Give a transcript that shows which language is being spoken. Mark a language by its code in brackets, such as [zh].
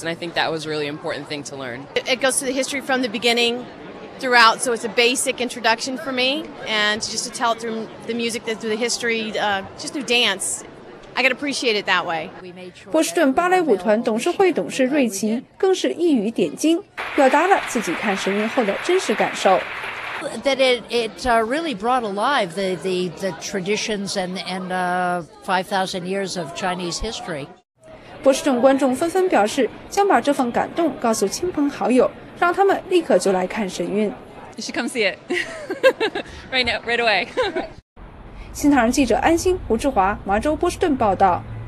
[en] And I think that was a really important thing to learn. It goes to the history from the beginning. Throughout, so it's a basic introduction for me, and just to tell it through the music, through the history, just through dance, I can appreciate it that way. [zh] 波士顿芭蕾舞团董事会董事瑞奇更是一语点睛，表达了自己看神韵后的真实感受。 [en] That it really brought alive the traditions and 5,000 years of Chinese history. [zh] 波士顿观众纷纷表示，将把这份感动告诉亲朋好友。让他们立刻就来看神韵。 [en] You should come see it. Right now, right away. [zh] 新唐人记者安心、胡志华，麻州、波士顿报道。